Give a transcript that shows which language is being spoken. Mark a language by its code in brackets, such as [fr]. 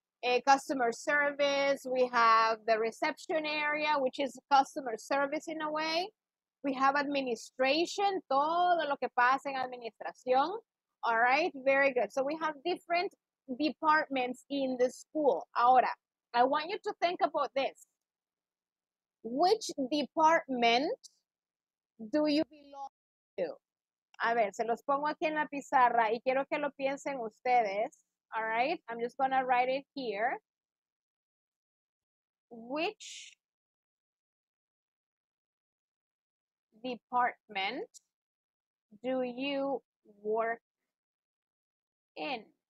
[en] A customer service, we have the reception area, which is customer service in a way. We have administration, [es] todo lo que pasa en administración. [en] All right, very good. So we have different departments in the school. Ahora, I want you to think about this. Which department do you belong to? [es] A ver, se los pongo aquí en la pizarra y quiero que lo piensen ustedes. [en] All right, I'm just gonna write it here. Which department do you work in?